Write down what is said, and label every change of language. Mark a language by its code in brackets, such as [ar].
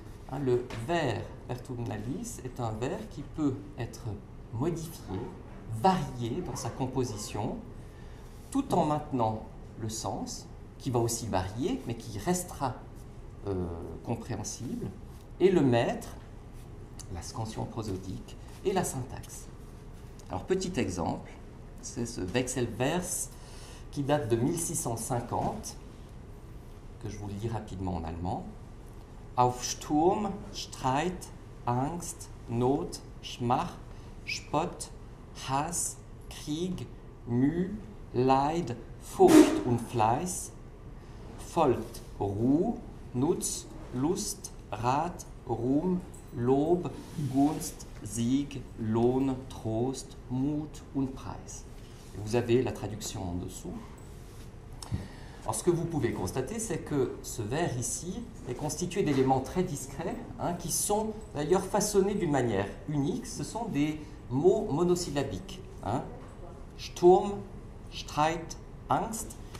[fr] Hein, le vers vertumnalis est un vers qui peut être modifié, varié dans sa composition, tout en maintenant le sens, qui va aussi varier, mais qui restera compréhensible, et le maître, la scansion prosodique, et la syntaxe. Alors, petit exemple, c'est ce vexel vers qui date de 1650, que je vous lis rapidement en allemand. [de] Auf Sturm, Streit, Angst, Not, Schmach, Spott, Hass, Krieg, Mühe, Leid, Furcht und Fleiß, folgt Ruhe, Nutz, Lust, Rat, Ruhm, Lob, Gunst, Sieg, Lohn, Trost, Mut und Preis. [fr] Vous avez la traduction en dessous. Alors, ce que vous pouvez constater, c'est que ce vers ici est constitué d'éléments très discrets, hein, qui sont d'ailleurs façonnés d'une manière unique. Ce sont des mots monosyllabiques. Hein. [de] Sturm, Streit, Angst.